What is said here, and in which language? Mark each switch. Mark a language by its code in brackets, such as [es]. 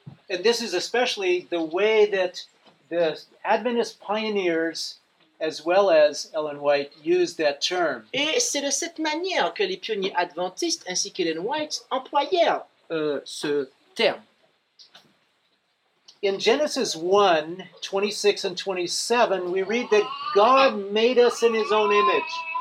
[en] And this is especially the way that the Adventist pioneers as well as Ellen White used that term. [fr] Et c'est de cette manière que les pionniers adventistes ainsi qu'Ellen White employèrent ce terme. [en] In Genesis 1, 26 and 27, we read that God made us in his own image.